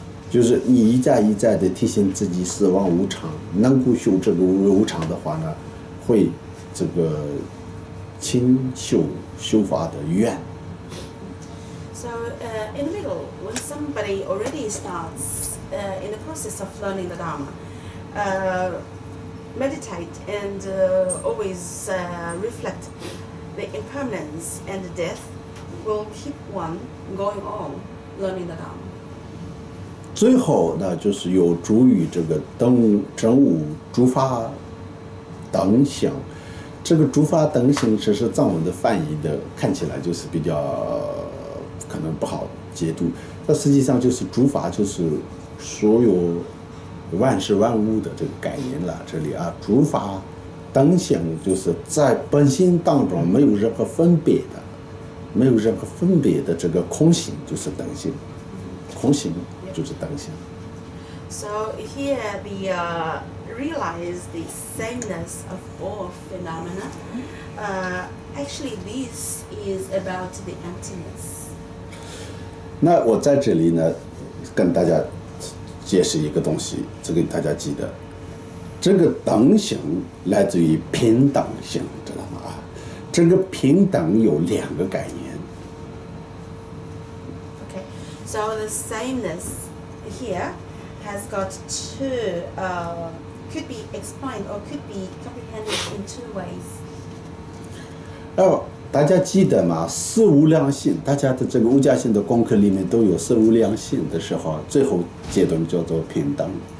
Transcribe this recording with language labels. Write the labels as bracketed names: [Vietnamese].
[Chinese] 就是你一再一再的提醒自己死亡无常，能够修这个无常的话呢，会这个清修法的愿。 [English] So, in the middle, when somebody already starts, in the process of learning the Dharma, meditate and always reflect the impermanence and the death will keep one going on learning the Dharma. [Chinese] 最后呢，就是有助于这个证悟诸法等行。这个诸法等行，这是藏文的翻译的，看起来就是比较可能不好解读。但实际上就是诸法，就是所有万事万物的这个概念了。这里啊，诸法等行就是在本心当中没有任何分别的，没有任何分别的这个空性就是等性，空性就是等性。 [English] So here the realize the sameness of all phenomena. Actually, this is about the emptiness. [Chinese] 那我在这里呢，跟大家解释一个东西，这个大家记得。这个等性来自于平等性，知道吗？啊，这个平等有两个概念。 [English] Okay, so the sameness here has got two, could be explained or could be comprehended in two ways. [Chinese] 哦，大家记得吗？四无量性，大家的这个无价性的功课里面都有四无量性的时候，最后阶段叫做平等。